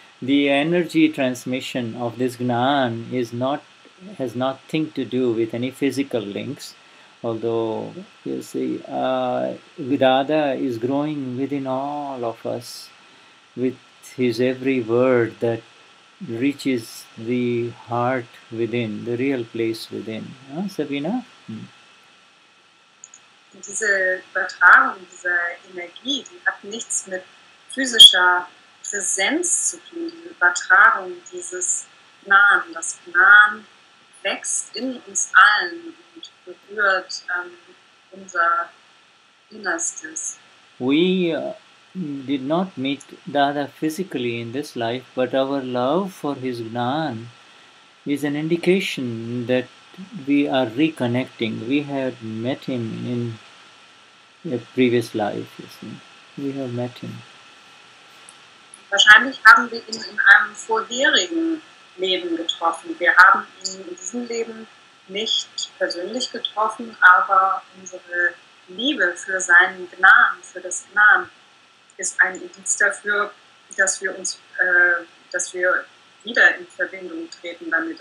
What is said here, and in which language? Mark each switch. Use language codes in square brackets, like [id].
[en] The energy transmission of this Gnan is not has nothing to do with any physical links, although you see Vidada is growing within all of us with his every word that reaches the heart within, the real place within. Sabina? [de] Diese Übertragung dieser Energie, die hat nichts mit physischer Präsenz zu tun, die Übertragung dieses Gnan. Das Gnan wächst in uns allen und berührt unser Innerstes. [en] We did not meet Dada physically in this life, but our love for his Gnan is an indication that we are reconnecting. We had met him in a previous life, you see. We have met him. [de] Wahrscheinlich haben wir ihn in einem vorherigen Leben getroffen. Wir haben ihn in diesem Leben nicht persönlich getroffen, aber unsere Liebe für seinen Gnan, für das Gnan, ist ein Indiz dafür, dass wir uns, dass wir wieder in Verbindung treten damit.